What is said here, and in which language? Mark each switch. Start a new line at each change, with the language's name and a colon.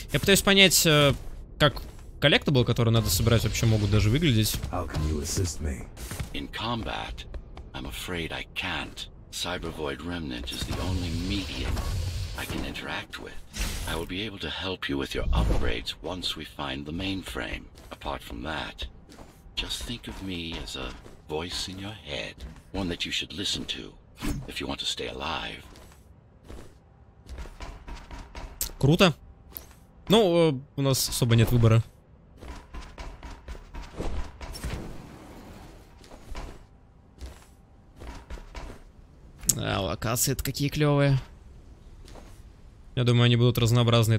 Russian: Я пытаюсь понять, как коллектабл, который надо собирать, вообще могут даже выглядеть.
English: How can you assist me? In combat, I'm afraid I can't. Cybervoid Remnant is the only medium I can interact with. I will be able to help you with your upgrades once we find the mainframe. Apart from that, just think of me as a voice in your head, one that you should listen to if you want to stay alive.
Russian: Круто. Ну, у нас особо нет выбора. А, локации-то какие клевые. Я думаю, они будут разнообразные.